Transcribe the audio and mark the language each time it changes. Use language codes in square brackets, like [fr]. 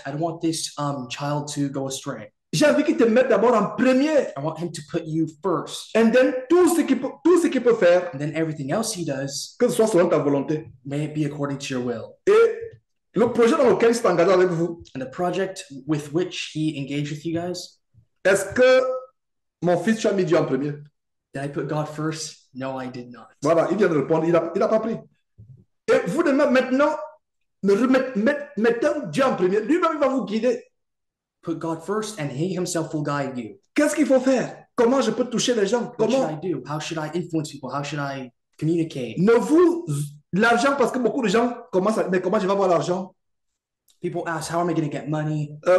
[en] I don't want this child to go astray. [fr] J'ai envie qu'il te mette d'abord en premier. [en] I want him to put you first. And then [fr] tout ce qu'il peut faire. [en] And then everything else he does. [fr] Que ce soit selon ta volonté. [en] May it be according to your will. [fr] Et le projet dans lequel il s'est engagé avec vous. [en] And the project with which he engaged with you guys. [fr] Est-ce que mon fils tu as mis Dieu en premier? [en] Did I put God first? No, I did not. [fr] Voilà, il vient de répondre, il a pas pris. Et vous de même maintenant, mettons Dieu en premier, lui-même va vous guider. [en] Put God first and he himself will guide you. [fr] Qu'est-ce qu'il faut faire? Comment je peux toucher les gens? [en] What [fr] Comment? [en] Should I do? How should I influence people? How should I communicate? [fr] Ne vous, l'argent, parce que beaucoup de gens commencent à, mais comment je vais avoir l'argent? [en] People ask, how am I going to get money